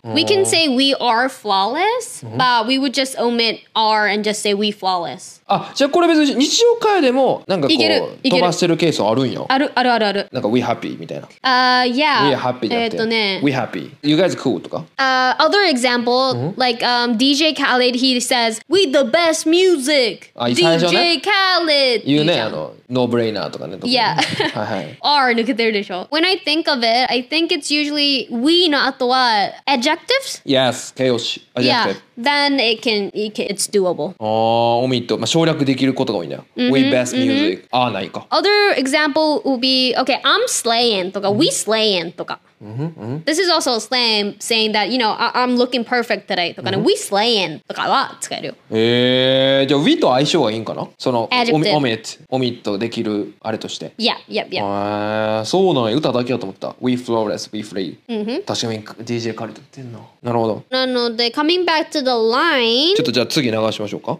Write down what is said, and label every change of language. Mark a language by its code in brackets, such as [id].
[en] We can say we are flawless, but we would just omit R and just say we flawless. [ja] あ、じゃあこれ別に日常会でもなんかこう飛ばしてるケースあるんよ。ある、ある、ある、ある。なんか [en] We happy [ja] みたいな。 [en] Yeah. We happy [ja] だって。 [en] We happy. You guys cool とか。 Other example, like DJ Khaled, he says, We the best music. DJ Khaled. [ja] 言うね、あの、 [en] No brainer [ja] とかね。 [en] Yeah. [ja] R 抜けてるでしょ。 [en] When I think of it, I think it's usually we の後は adjectives? Yes, [ja] 形容詞。 [en] Yeah. Then it's doable. Oh, omit. [ja] まあ省略できることが多いんだよ。 [en] We best music. [ja] あ、ないか。 [en] Other example would be,Okay, I'm slaying, とか we slaying, とか This is also a slang saying that, you know, I'm looking perfect today, [ja] とかね [en] We slaying, とかは使えるよ。 [ja] じゃあ we と相性がいいんかな？その、omit、omit できるあれとして。 [en] Yeah, yeah, yeah. [ja] そうなの、歌だけだと思った。 [en] We flawless, we free. [ja] 確かに DJ カリと言ってんな。なるほど。なので、 [en] coming back to the line... [ja] ちょっとじゃあ次流しましょうか。